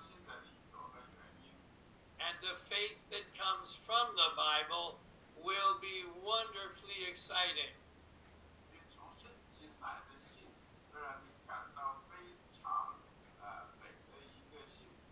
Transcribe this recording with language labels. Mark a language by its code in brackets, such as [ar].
[zh] 当你读圣经的时候呢，你会得到很多你要相信的理由和原因。And [en] the faith that comes from the Bible will be wonderfully exciting. [zh] 从圣经来的信会让你感到非常美的一个信。